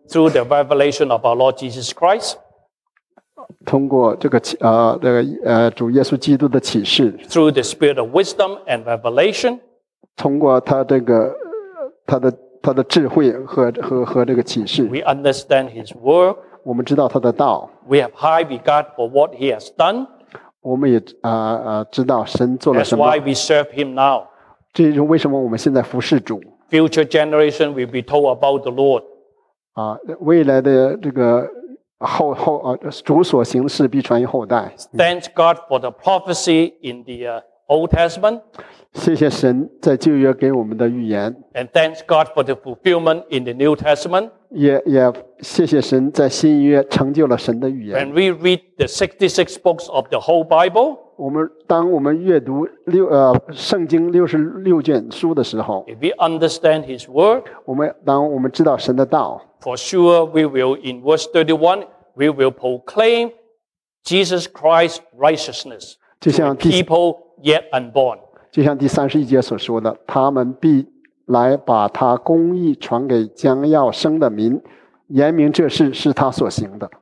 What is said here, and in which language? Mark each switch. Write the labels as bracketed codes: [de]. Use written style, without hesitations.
[en] Through the revelation of our Lord Jesus Christ. [zh] 通过主耶稣基督的启示。 [en] Through the spirit of wisdom and revelation. [zh] 通过他的智慧和这个启示。 [en] We understand his work. [zh] 我们知道他的道。 [en] We have high regard for what he has done. [zh] 我们也知道神做了什么。 [en] That's why we serve him now. [zh] 这就是为什么我们现在服侍主。 [en] Future generation will be told about the Lord. [zh] 未来的这个后主所行事必传于后代。 [en] Thank God for the prophecy in the Old Testament. [zh] 谢谢神在旧约给我们的预言。 [en] And thank God for the fulfillment in the New Testament. [zh] 也谢谢神在新约成就了神的预言。 [en] When we read the 66 books of the whole Bible, [zh] 当我们阅读圣经66卷书的时候 [en] ,if we understand his word, [zh] 当我们知道神的道 [en] ,for sure we will, in verse 31, we will proclaim Jesus Christ's righteousness to the people yet unborn. [zh] 就像第31节所说的他们必来把他公义传给将要生的民言明这事是他所行的。